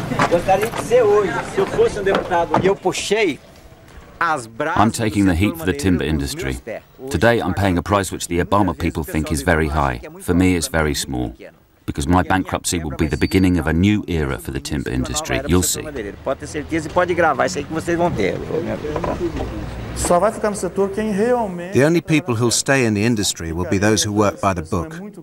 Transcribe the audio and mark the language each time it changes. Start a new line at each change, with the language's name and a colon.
Portuguese: Gostaria de ser hoje, se eu fosse deputado. E eu puxei.
English: I'm taking the heat for the timber industry. Today I'm paying a price which the Obama people think is very high. For me it's very small. Because my bankruptcy will be the beginning of a new era for the timber industry. You'll see.
Portuguese: Pode ter certeza e pode gravar, isso aí que vocês vão ter. Só vai ficar no setor quem realmente...
English: The only people who'll stay in the industry will be those who work by the book.